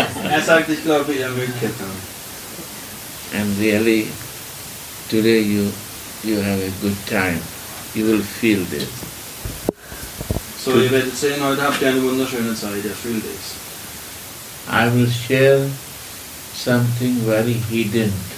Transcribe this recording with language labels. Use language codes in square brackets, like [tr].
[de] Er sagt, ich glaube, ihr mögt es. [en] And really, today you have a good time. You will feel this. So you will see, [de] heute habt ihr eine wunderschöne Zeit. Ihr fühlt es. [en] I will share something very hidden.